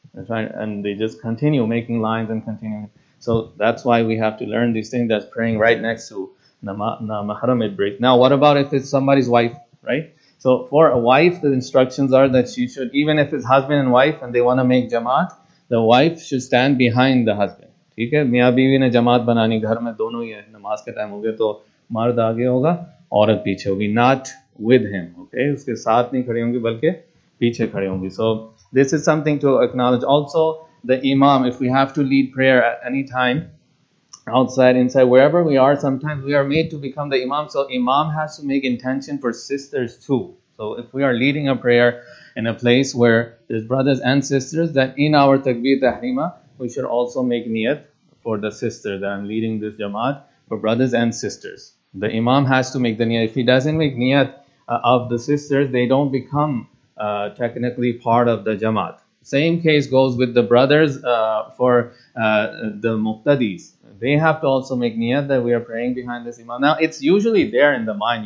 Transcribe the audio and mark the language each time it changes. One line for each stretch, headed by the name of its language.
English: And they just continue making lines and continuing. So that's why we have to learn these things, that's praying right next to the mahram it breaks. Now, what about if it's somebody's wife, right? So for a wife, the instructions are that she should, even if it's husband and wife and they want to make jamaat, the wife should stand behind the husband.
Hindi: ठीक है मियां बीवी ने जमात बनानी घर में दोनों ही है नमाज के टाइम हो गए तो मर्द आगे होगा औरत पीछे होगी
English: not with him okay
Hindi: उसके साथ नहीं खड़ी होंगी बल्कि पीछे खड़ी होंगी
English: So this is something to acknowledge also the imam if we have to lead prayer at any time outside inside wherever we are sometimes we are made to become the imam so imam has to make intention for sisters too so if we are leading a prayer in a place where there's brothers and sisters that in our तकबीर तहरीमा we should also make niyat for the sister that I'm leading this jamaat for brothers and sisters. The imam has to make the niyat. If he doesn't make niyat of the sisters, they don't become technically part of the jamaat. Same case goes with the brothers for the muqtadis. They have to also make niyat that we are praying behind this imam. Now, it's usually there in the mind.